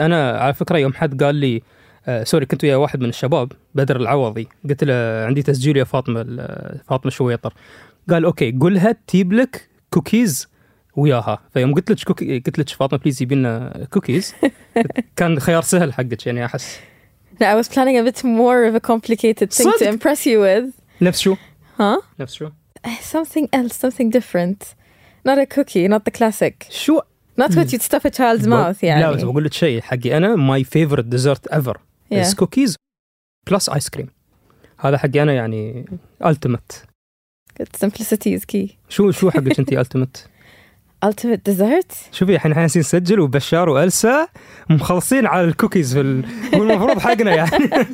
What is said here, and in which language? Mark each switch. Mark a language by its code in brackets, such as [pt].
[ar] أنا على فكرة يوم حد قال لي سوري، كنت ويا واحد من الشباب بدر العوضي، قلت له عندي تسجيل يا فاطمة، فاطمة شويطر، قال أوكي قلها تجيب لك كوكيز وياها. فيوم قلت لك فاطمة بليز يبي لنا كوكيز كان خيار سهل حقك يعني. أحس [en] No, I was planning a bit more of a complicated thing to impress you with. [ar] نفس شو؟ ها؟ نفس شو؟ [en] Something else, something different. Not a cookie, not the classic. [ar] شو؟ [en] Not what you'd stuff a child's mouth, يعني. [ar] لا، بس بقول لك شيء حقي أنا، [en] my favorite dessert ever is cookies plus ice cream. [ar] هذا حقي أنا يعني ultimate. [en] Good simplicity is key. [ar] شو حقك أنت ultimate؟ [en] Ultimate dessert. [ar] شوفي إحنا حين سنسجل وبشار وألسا مخلصين على الكوكيز والمفروض حقنا يعني.